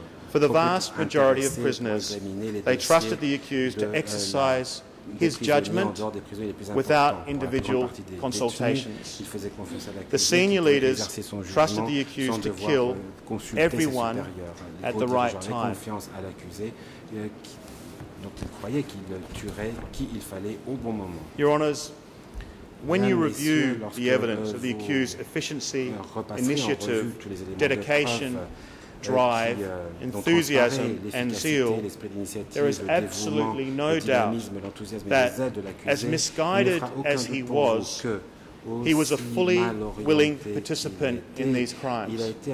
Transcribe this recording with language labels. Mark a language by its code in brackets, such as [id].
[en] For the vast majority of prisoners, they trusted the accused to exercise his judgment without individual consultations. The senior leaders trusted the accused to kill everyone at the right time. [fr] Donc il croyait qu'il tuerait qui il fallait au bon moment. [en] Your Honours, when you review the evidence of the accused's efficiency, initiative, dedication, drive, enthusiasm and zeal, there is absolutely no doubt that as misguided as he was, he was a fully willing participant in these crimes.